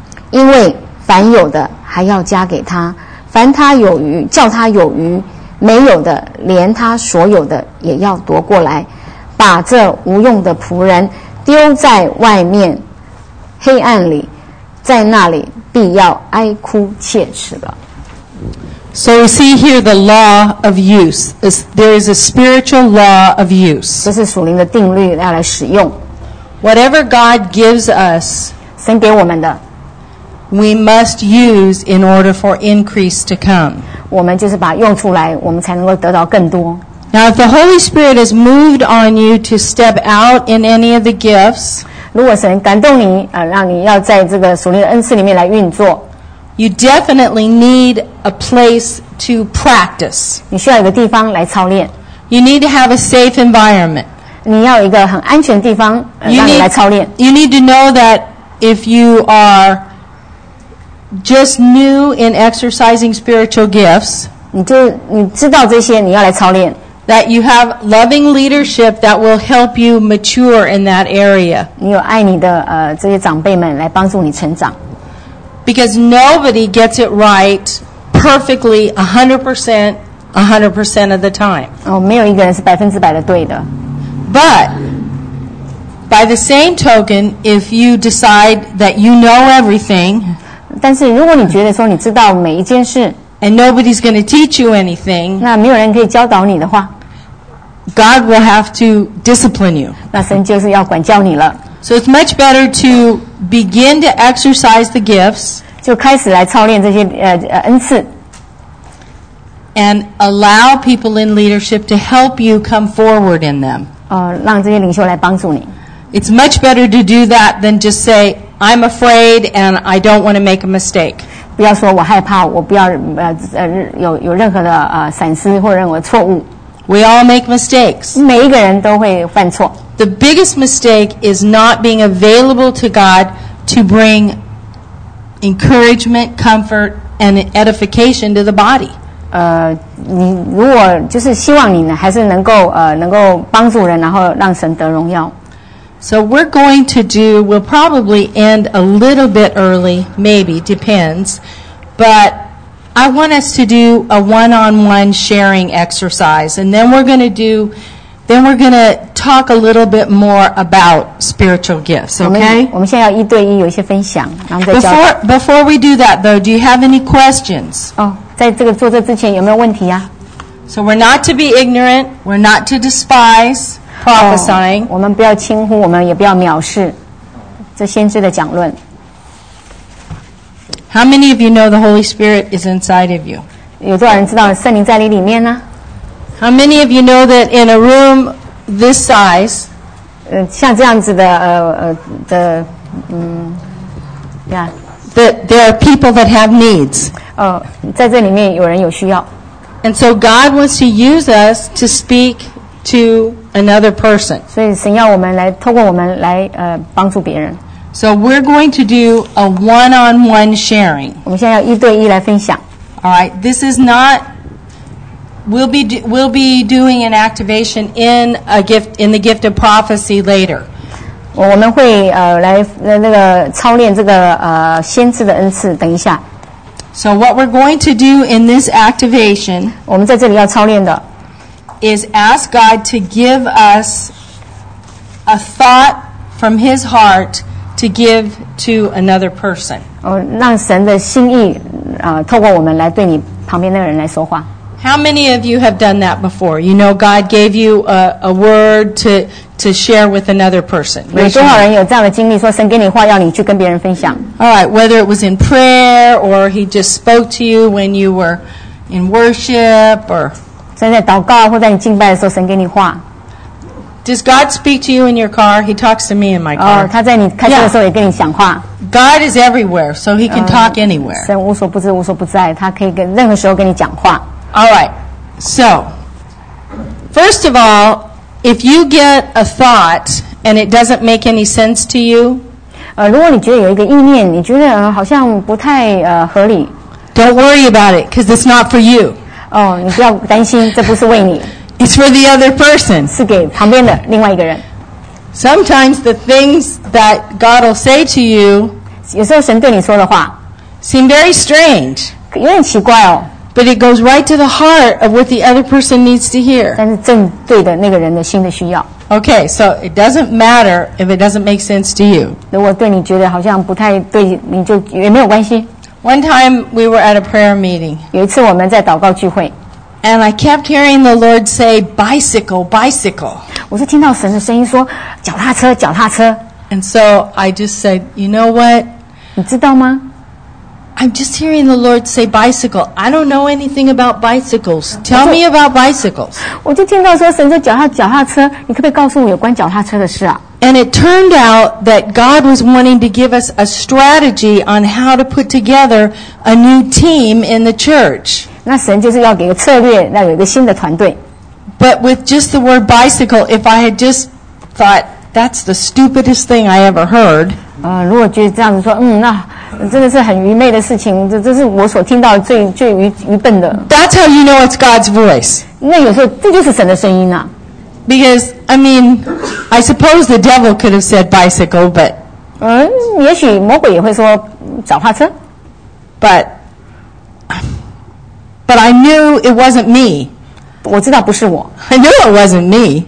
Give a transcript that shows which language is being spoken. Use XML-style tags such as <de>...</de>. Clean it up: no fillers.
<zh>因为凡有的还要加给他，凡他有余，叫他有余；没有的，连他所有的也要夺过来。把这无用的仆人丢在外面，黑暗里，在那里必要哀哭切齿了。</zh> <en>So we see here the law of use. There is a spiritual law of use.</en> <zh>这是属灵的定律，要来使用。</zh> <en>Whatever God gives us,</en> <zh>神给我们的。</zh> <en>We must use in order for increase to come.</en> <zh>我们就是把用出来，我们才能够得到更多。</zh> <en>Now, if the Holy Spirit has moved on you to step out in any of the gifts,</en> <zh>如果神感动你，让你要在这个属灵的恩赐里面来运作，</zh> <en>you definitely need a place to practice.</en> <zh>你需要一个地方来操练。</zh> <en>You need to have a safe environment.</en> <zh>你要一个很安全的地方，让你来操练。</zh> <en>You need to know that if you are just new in exercising spiritual gifts,</en> <zh>你知道这些你要来操练。</zh> <en>That you have loving leadership that will help you mature in that area.</en> <zh>你有爱你的这些长辈们来帮助你成长。</zh> <en>Because nobody gets it right perfectly 100%, 100% of the time.</en> <zh>哦，没有一个人是百分之百的对的。</zh> <en>But by the same token, if you decide that you know everything,</en> <zh>但是如果你觉得说你知道每一件事。</zh> <en>And nobody's going to teach you anything.</en> <zh>那没有人可以教导你的话。</zh> <en>God will have to discipline you.</en> <zh>那神就是要管教你了。</zh> <en>So it's much better to begin to exercise the gifts.</en> <zh>就开始来操练这些恩赐。</zh> <en>And allow people in leadership to help you come forward in them.</en> <zh>让这些领袖来帮助你。</zh> <en>It's much better to do that than just say, I'm afraid and I don't want to make a mistake.</en> <zh>不要说我害怕，我不要有任何的闪失或认为错误。</zh> <en>We all make mistakes.</en> <zh>每一个人都会犯错。</zh> <en>The biggest mistake is not being available to God to bring encouragement, comfort, and edification to the body.</en> <zh>你如果就是希望你呢，还是能够帮助人，然后让神得荣耀。</zh> <en>So we're going to do, we'll probably end a little bit early, maybe, depends. But I want us to do a one-on-one sharing exercise. And then we're going to talk a little bit more about spiritual gifts, okay?</en> <zh>我们现在要一对一有一些分享，然后再教。</zh> <en>Before we do that, though, do you have any questions?</en> <zh>在这个做这之前有没有问题啊？</zh> <en>So we're not to be ignorant, we're not to despise. Prophesying.</en> <zh>我们不要轻忽，我们也不要藐视这先知的讲论。</zh> <en>How many of you know the Holy Spirit is inside of you?</en> <zh>有多少人知道圣灵在你里面呢？</zh> <en>How many of you know that in a room this size,</en> <zh>像这样子的</zh> <en>that there are people that have needs.</en> <zh>在这里面有人有需要。</zh> <en>And so God wants to use us to speak. To another person.</en> <zh>所以神要我们来透过我们来帮助别人。</zh> <en>So we're going to do a one-on-one sharing.</en> <zh>我们现在要一对一来分享。</zh> <en>All right. This is not. We'll be doing an activation in a gift in the gift of prophecy later.</en> <zh>我们会来那个操练这个先知的恩赐。等一下。</zh> <en>So what we're going to do in this activation?</en> <zh>我们在这里要操练的。</zh> <en>Is ask God to give us a thought from His heart to give to another person.</en> <zh>让神的心意透过我们来对你旁边那个人来说话。</zh> <en>How many of you have done that before? You know, God gave you a word to share with another person.</en> <zh>有多少人有这样的经历？说神给你话，要你去跟别人分享。</zh> <en>All right, whether it was in prayer or He just spoke to you when you were in worship or. Does God speak to you in your car? He talks to me in my car.</en> <zh>他在你开车的时候也跟你讲话。</zh> <en>God is everywhere, so He can talk anywhere.</en> <zh>神无所不知，无所不在，他可以跟任何时候跟你讲话。</zh> <en>All right. So, first of all, if you get a thought and it doesn't make any sense to you,</en> <zh>如果你觉得有一个意念，你觉得好像不太合理。</zh> <en>Don't worry about it, because it's not for you.</en> <zh>你不要担心，这不是为你。</zh> <en>It's for the other person.</en> <zh>是给旁边的另外一个人。</zh> <en>Sometimes the things that God will say to you,</en> <zh>有时候神对你说的话</zh> <en>seem very strange.</en> <zh>有点奇怪哦。</zh> <en>But it goes right to the heart of what the other person needs to hear.</en> <zh>但是正对的那个人的心的需要。</zh> <en>Okay, so it doesn't matter if it doesn't make sense to you.</en> <zh>如果对你觉得好像不太对，你就也没有关系。</zh> <en>One time we were at a prayer meeting.</en> <zh>有一次我们在祷告聚会。</zh> <en>And I kept hearing the Lord say, bicycle, bicycle.</en> <zh>我是听到神的声音说，脚踏车，脚踏车。</zh> <en>And so I just said, you know what?</en> <zh>你知道吗？</zh> <en>I'm just hearing the Lord say bicycle. I don't know anything about bicycles. Tell me about bicycles.</en> <zh>我就听到说神说脚踏车，你可不可以告诉我有关脚踏车的事啊？</zh> <en>And it turned out that God was wanting to give us a strategy on how to put together a new team in the church.</en> <zh>那神就是要给个策略，要有一个新的团队。</zh> <en>But with just the word bicycle, if I had just thought that's the stupidest thing I ever heard.</en> <zh>如果觉得这样子说，那真的是很愚昧的事情，这是我所听到最愚笨的。</zh> <en>That's how you know it's God's voice.</en> <zh>那有时候这就是神的声音啊。</zh> <en>Because I mean, I suppose the devil could have said bicycle, but</en> <zh>也许魔鬼也会说脚踏车。</zh> <en>But I knew it wasn't me.</en> <zh>我知道不是我。</zh> <en>I knew it wasn't me.</en>